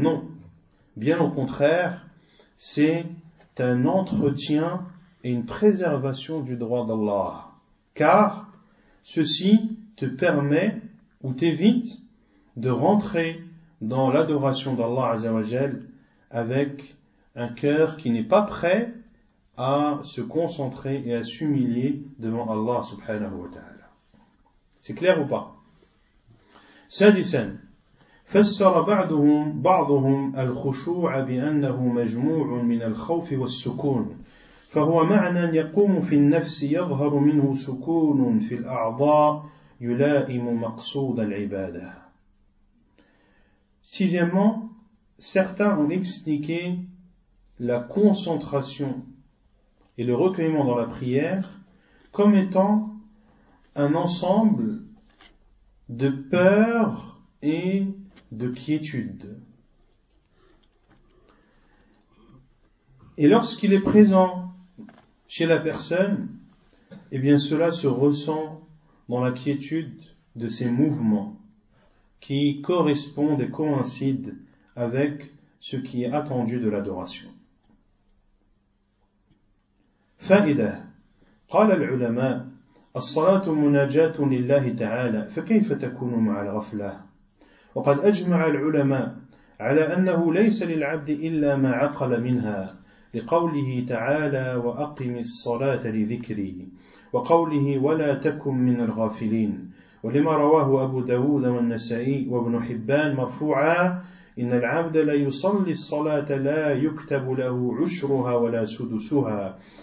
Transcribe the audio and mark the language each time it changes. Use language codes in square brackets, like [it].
[fr] Non, bien au contraire, c'est un entretien et une préservation du droit d'Allah, car ceci te permet ou t'évite de rentrer dans l'adoration d'Allah Azza wa Jal avec un cœur qui n'est pas prêt à se concentrer et à s'humilier devant Allah subhanahu wa ta'ala. C'est clair ou pas? [ar] سادسا فسر بعضهم الخشوع بأنه مجموع من الخوف والسكون فهو معنى يقوم في النفس يظهر منه سكون في الأعضاء يلائم مقصود العبادة. [fr] Sixièmement, certains ont expliqué la concentration et le recueillement dans la prière comme étant un ensemble de peur et de quiétude. Et lorsqu'il est présent chez la personne, eh bien cela se ressent dans la quiétude de ses mouvements qui correspondent et coïncident avec ce qui est attendu de l'adoration. [ar] فائدة قال العلماء الصلاة مناجاة لله تعالى فكيف تكون مع الغفلة وقد أجمع العلماء على أنه ليس للعبد إلا ما عقل منها لقوله تعالى وأقم الصلاة لذكري وقوله ولا تكن من الغافلين ولما رواه أبو داود والنسائي وابن حبان مرفوعا إن العبد لا يصلي الصلاة لا يكتب له عشرها ولا سدسها